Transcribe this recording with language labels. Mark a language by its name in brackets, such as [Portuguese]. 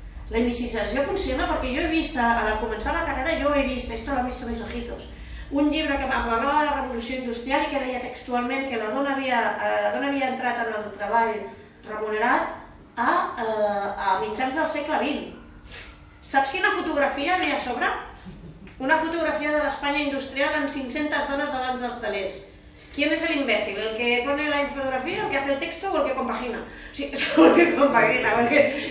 [Catalan] La invisibilització funciona perquè jo he vist, al començar la carrera, jo he vist, [Spanish] esto lo he visto mis ojitos, [Catalan] un llibre que parlava de la revolució industrial i que deia textualment que la dona havia entrat en el treball remunerat a mitjans del segle XX. Saps quina fotografia hi havia a sobre? Una fotografia de l'Espanya industrial amb 500 dones davant dels telers. [Spanish] ¿Quién es el imbécil? ¿El que pone la infografía, el que hace el texto o el que compagina? [Catalan] Sí, el que compagina, perquè...